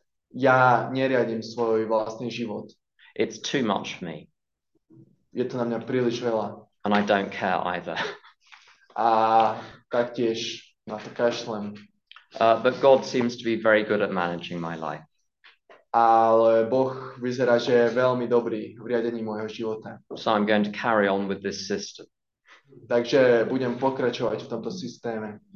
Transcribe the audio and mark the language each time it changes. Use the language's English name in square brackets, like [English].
[Slovak] Ja neriadím svoj vlastný život. [English] It's too much for me. [Slovak] Je to na mňa príliš veľa. [English] And I don't care either. [Slovak] A taktiež na to kašlem. [English] But God seems to be very good at managing my life. [Slovak] Ale Boh vyzerá, že je veľmi dobrý v riadení môjho života. [English] So I'm going to carry on with this system. [Slovak] Takže budem pokračovať v tomto systéme.